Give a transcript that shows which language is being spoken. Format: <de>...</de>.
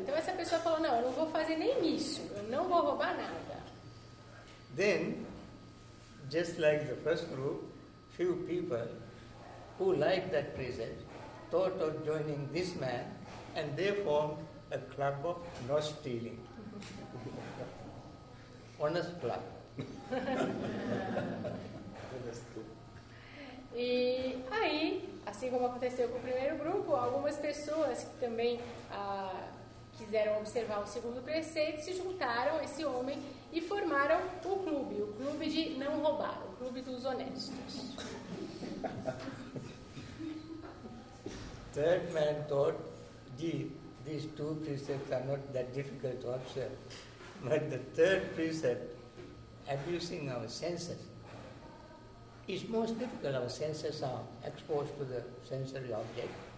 <pt>Então essa pessoa falou, não, eu não vou fazer nem isso. Eu não vou roubar nada.</pt> <en>Then, just like the first group, few people who liked that present thought of joining this man and they formed a club of no stealing. Honest club.</en> <pt>E aí, assim como aconteceu com o primeiro grupo, algumas pessoas que também quiseram observar o segundo preceito se juntaram a esse homem e formaram o clube de não roubar, o clube dos honestos.</pt> <en>Third man thought, gee, these two precepts are not that difficult to observe. But the third precept, abusing our senses, is most difficult. Our senses are exposed to the sensory object.</en>